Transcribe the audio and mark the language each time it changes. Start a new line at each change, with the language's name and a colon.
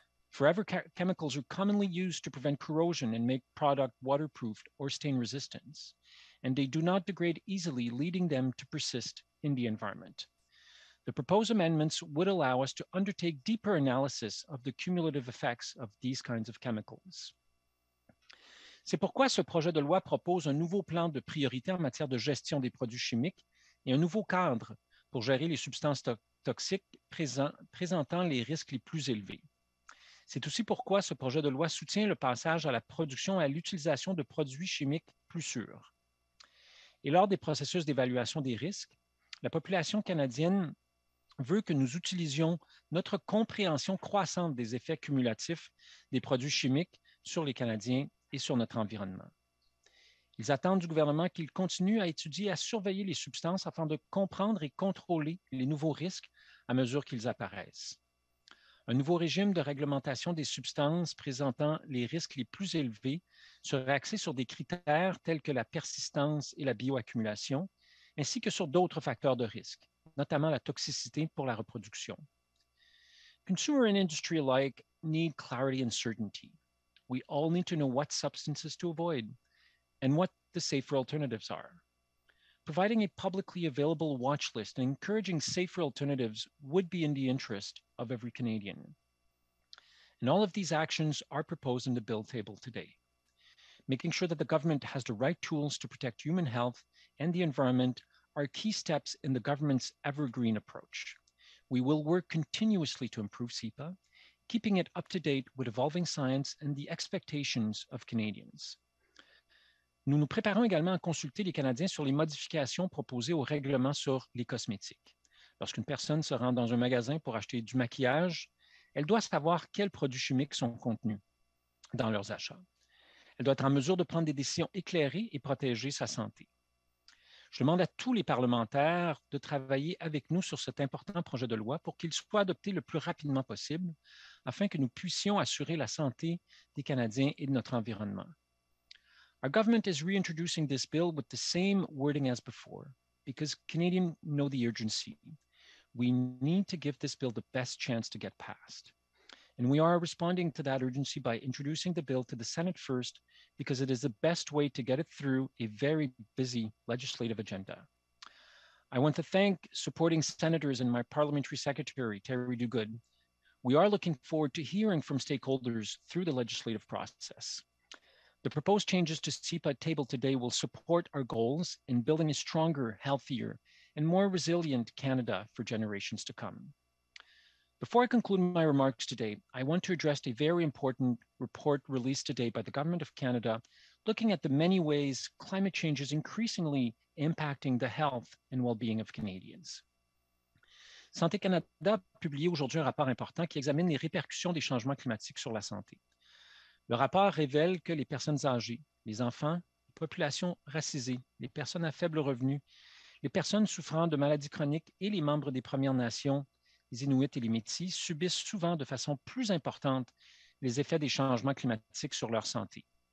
English: Forever chemicals are commonly used to prevent corrosion and make product waterproof or stain resistant, and they do not degrade easily, leading them to persist in the environment. The proposed amendments would allow us to undertake deeper analysis of the cumulative effects of these kinds of chemicals.
French: C'est pourquoi ce projet de loi propose un nouveau plan de priorité en matière de gestion des produits chimiques et un nouveau cadre pour gérer les substances toxiques présentant les risques les plus élevés. C'est aussi pourquoi ce projet de loi soutient le passage à la production et à l'utilisation de produits chimiques plus sûrs. Et lors des processus d'évaluation des risques, la population canadienne veut que nous utilisions notre compréhension croissante des effets cumulatifs des produits chimiques sur les Canadiens et sur notre environnement. Ils attendent du gouvernement qu'il continue à étudier et à surveiller les substances afin de comprendre et contrôler les nouveaux risques à mesure qu'ils apparaissent. Un nouveau régime de réglementation des substances présentant les risques les plus élevés serait axé sur des critères tels que la persistance et la bioaccumulation, ainsi que sur d'autres facteurs de risque, notamment la toxicité pour la reproduction.
English: Consumer and industry alike need clarity and certainty. We all need to know what substances to avoid and what the safer alternatives are. Providing a publicly available watch list and encouraging safer alternatives would be in the interest of every Canadian. And all of these actions are proposed in the bill table today, making sure that the government has the right tools to protect human health and the environment are key steps in the government's evergreen approach. We will work continuously to improve CEPA, keeping it up to date with evolving science and the expectations of Canadians. Nous nous préparons également à consulter les Canadiens sur les modifications proposées au règlement sur les cosmétiques. Lorsqu'une personne se rend dans un magasin pour acheter du maquillage, elle doit savoir quels produits chimiques sont contenus dans leurs achats. Elle doit être en mesure de prendre des décisions éclairées et protéger sa santé. Je demande à tous les parlementaires de travailler avec nous sur cet important projet de loi pour qu'il soit adopté le plus rapidement possible, afin que nous puissions assurer la santé des Canadiens et de notre environnement. Our government is reintroducing this bill with the same wording as before, because Canadians know the urgency. We need to give this bill the best chance to get passed. And we are responding to that urgency by introducing the bill to the Senate first, because it is the best way to get it through a very busy legislative agenda. I want to thank supporting senators and my parliamentary secretary, Terry Duguid. We are looking forward to hearing from stakeholders through the legislative process. The proposed changes to CEPA table today will support our goals in building a stronger, healthier, and more resilient Canada for generations to come. Before I conclude my remarks today, I want to address a very important report released today by the Government of Canada, looking at the many ways climate change is increasingly impacting the health and well-being of Canadians.
French: Santé Canada a publié aujourd'hui un rapport important qui examine les répercussions des changements climatiques sur la santé. Le rapport révèle que les personnes âgées, les enfants, les populations racisées, les personnes à faible revenu, les personnes souffrant de maladies chroniques et les membres des Premières Nations, les Inuits et les Métis, subissent souvent de façon plus importante les effets des changements climatiques sur leur santé.